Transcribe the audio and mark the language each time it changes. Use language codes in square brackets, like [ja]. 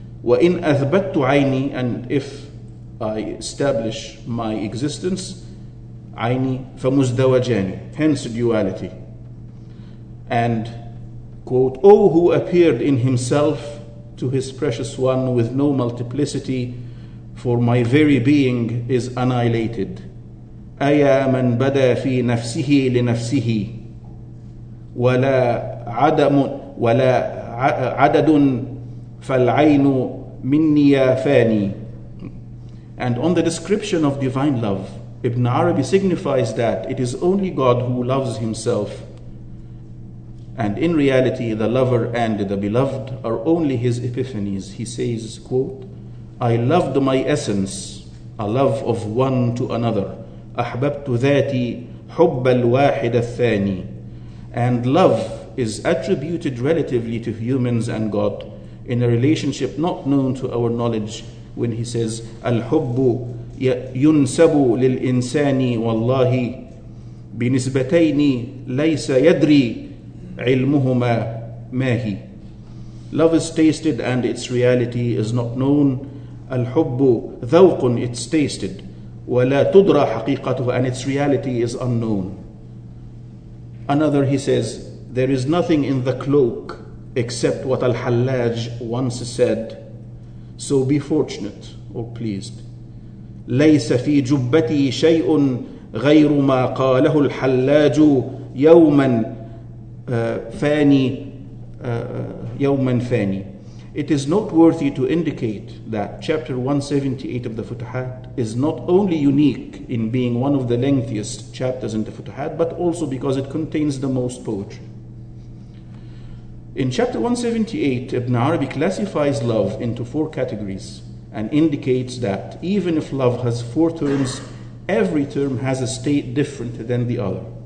[ar] وإن أثبت عيني, [en] and if I establish my existence, [ar] عيني فمزدوجاني, [en] hence duality. And, quote, O who appeared in himself to his precious one with no multiplicity, for my very being is annihilated. [ar] أيا من بدا في نفسه لنفسه ولا عدم ولا عدد فالعين مني فاني. [en] And on the description of divine love, Ibn Arabi signifies that it is only God who loves himself, and in reality, the lover and the beloved are only his epiphanies. He says, quote, I loved my essence, a love of one to another. [ar] أحببت ذاتي حب الواحد الثاني. [en] And love is attributed relatively to humans and God in a relationship not known to our knowledge, when he says, [ar] الحب ينسب للإنسان والله بنسبتين ليس يدري عِلْمُهُمَا مَاهِ. [en] Love is tasted and its reality is not known. [ar] الْحُبُّ ذَوْقٌ, [en] it's tasted. [ar] وَلَا تُدْرَى حَقِيقَتُهُ, [en] and its reality is unknown. Another, he says, there is nothing in the cloak except what Al-Hallaj once said. So be fortunate or pleased. [ar] لَيْسَ فِي جُبَّتِي شَيْءٌ غَيْرُ مَا قَالَهُ الْحَلَّاجُ يَوْمًا فاني يوما فاني. [en] It is noteworthy to indicate that chapter 178 of the Futuhat is not only unique in being one of the lengthiest chapters in the Futuhat, but also because it contains the most poetry. In chapter 178, Ibn Arabi classifies love into four categories and indicates that even if love has four terms, every term has a state different than the other.